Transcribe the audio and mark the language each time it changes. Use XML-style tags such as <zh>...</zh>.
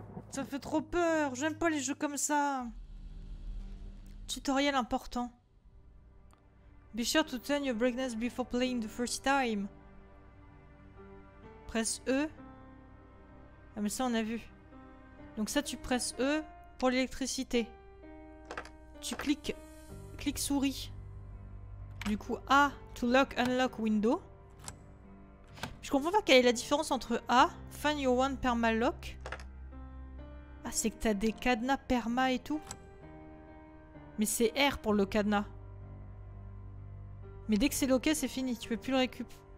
<fr>Ça fait trop peur, j'aime pas les jeux comme ça. Tutoriel important.</fr> <en>Be sure to turn your brightness before playing the first time.</en> <fr>Presse E. Ah mais ça on a vu. Donc ça tu presses E pour l'électricité. Tu cliques, clic souris. Du coup</fr> <en>A to lock unlock window.</en> <fr>Je comprends pas quelle est la différence entre A,</fr> <en>find your one permalock.</en> <fr>Ah c'est que t'as des cadenas perma et tout. Mais c'est R pour le cadenas. Mais dès que c'est loqué, c'est fini. Tu peux plus le récup.</fr>